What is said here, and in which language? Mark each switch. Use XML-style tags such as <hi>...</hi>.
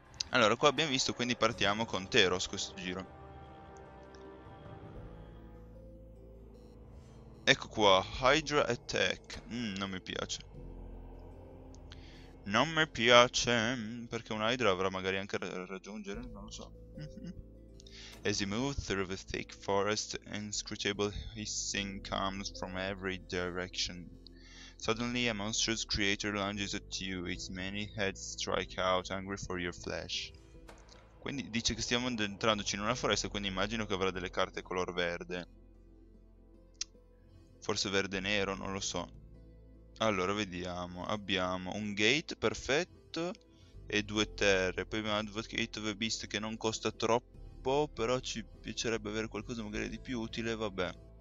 <it>Allora, qua abbiamo visto, quindi partiamo con Teros questo giro. Ecco qua, Hydra Attack. Non mi piace. Non mi piace, perché un Hydra avrà magari anche da raggiungere, non lo so.</it> <en>As you move through the thick forest, inscrutable hissing comes from every direction. Suddenly, a monstrous creature lunges at you, its many heads strike out, angry for your flesh.</en> <it>Quindi dice che stiamo entrandoci in una foresta, quindi immagino che avrà delle carte color verde. Forse verde nero, non lo so. Allora, vediamo. Abbiamo un gate, perfetto, e due terre. Poi abbiamo Advocate of the Beast, che non costa troppo, però ci piacerebbe avere qualcosa magari di più utile. Vabbè.</it>